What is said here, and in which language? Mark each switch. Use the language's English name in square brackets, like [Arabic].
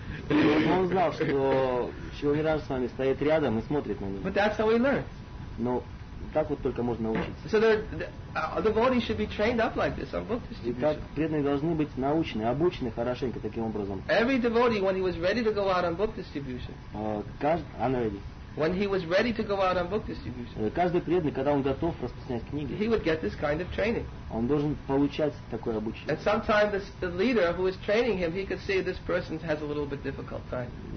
[Russian] Он знал, что Шилмираж с вами стоит рядом и смотрит на него. [English] But that's how he learns. [Russian] Но так вот только можно научиться. [English] So the devotees should be trained up like this on book distribution. [Russian] И так преданные должны быть научены, обучены хорошенько таким образом. [English] Every devotee, when he was ready to go out on book distribution. When he was ready to go out on book distribution. [Russian] Каждый преданный, когда он готов распространять книги. [English] He would get this kind of training. [Russian] Он должен получать такое обучение. [English] And sometimes the leader who is training him, he could see this person has a little bit difficult time.